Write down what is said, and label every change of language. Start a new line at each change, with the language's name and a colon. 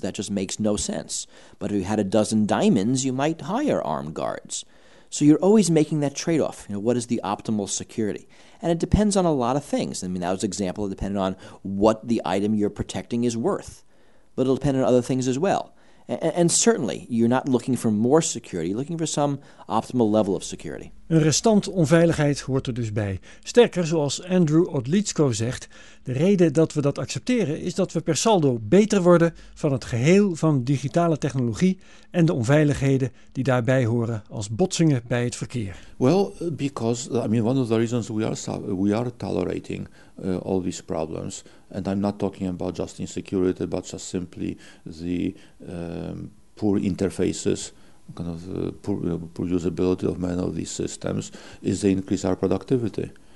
English: That just makes no sense. But if you had a dozen diamonds, you might hire armed guards. So you're always making that trade-off. You know, what is the optimal security? And it depends on a lot of things. I mean, that was an example that depended on what the item you're protecting is worth. But it'll depend on other things as well. And certainly, you're not looking for more security. You're looking for some optimal level of security.
Dutch: Een restant onveiligheid hoort er dus bij. Sterker, zoals Andrew Odlitsko zegt, de reden dat we dat accepteren is dat we per saldo beter worden van het geheel van digitale technologie en de onveiligheden die daarbij horen als botsingen bij het verkeer.
English: Well, because, I mean, one of the reasons we are tolerating all these problems, and I'm not talking about just insecurity, but just simply the poor interfaces, kind of the poor usability of many of these systems, is they increase our productivity.